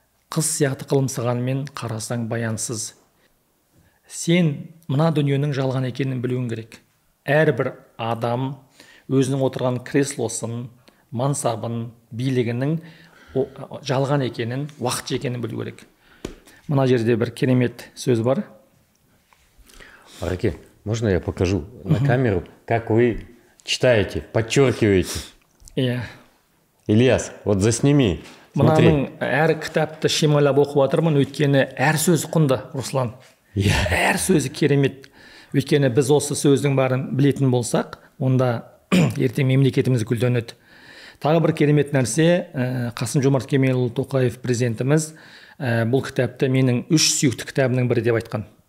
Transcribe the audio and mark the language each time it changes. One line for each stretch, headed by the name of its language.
Kazakh: Қыз сияқты қылымсығанмен қарасаң баянсыз. Сен мына дүниенің жалған екенін білуің керек. Әрбір адам өзінің отырған креслосын, мансабын, билігінің жалған екенін, уақыт екенін білу керек." Мына жерде бір керемет сөз бар.
Russian: Ареке, можно я покажу на камеру, как вы читаете, подчеркиваете? Ильяс, вот засними. Смотри.
Kazakh: Әр кітапты шимайлап оқып отырмын, өйткені әр сөз құнды, Руслан. Әр сөзі керемет. Өйткені біз осы сөздің барын білетін болсақ, онда ертең мемлекетіміз гүлденеді. Тағы бір керемет нәрсе, Қасым Жомарт Кемелұлы Тоқаев президентіміз бұл кітапты менің үш сүйікті кітабымның бірі деп айтқан.